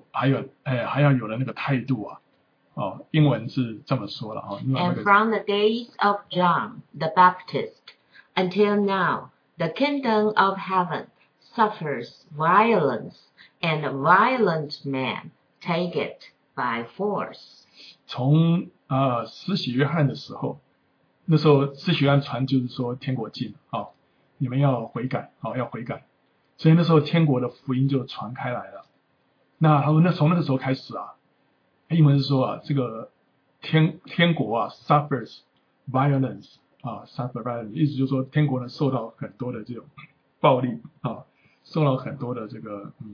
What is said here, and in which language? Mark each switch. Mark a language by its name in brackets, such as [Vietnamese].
[Chinese] 还有还要有了那个态度啊。哦，英文是这么说了啊。 [English] And from the days of John the Baptist until now, the kingdom of heaven suffers violence. And a violent man take it by force. [Chinese] 从施洗约翰的时候，那时候施洗约翰传就是说天国近啊，你们要悔改啊，要悔改。所以那时候天国的福音就传开来了。那他说，那从那个时候开始啊，英文是说啊，这个天国啊 [English] suffers violence [Chinese] 啊 [English] suffer violence， [Chinese] 意思就是说天国呢受到很多的这种暴力啊，受到很多的这个